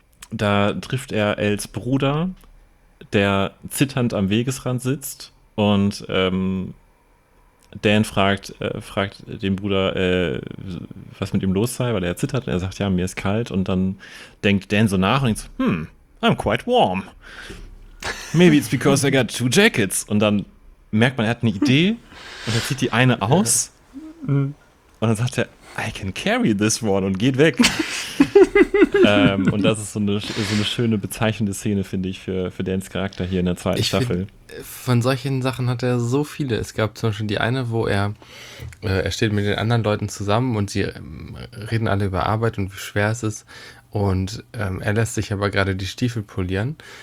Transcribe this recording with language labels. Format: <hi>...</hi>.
<de>Da trifft er Els Bruder, der zitternd am Wegesrand sitzt. Und Dan fragt den Bruder, was mit ihm los sei, weil er zittert. Und er sagt, ja, mir ist kalt. Und dann denkt Dan so nach und denkt so,</de> <en>I'm quite warm. Maybe it's because I got 2 jackets.</en> <de>Und dann merkt man, er hat eine Idee. Und er zieht die eine aus. Und dann sagt er,</de> <en>I can carry this one</en> <de>und geht weg. und das ist so eine schöne bezeichnende Szene, finde ich, für Dans Charakter hier in der zweiten Staffel. Von solchen Sachen hat er so viele. Es gab zum Beispiel die eine, wo er steht mit den anderen Leuten zusammen und sie reden alle über Arbeit und wie schwer es ist. Und er lässt sich aber gerade die Stiefel polieren.</de>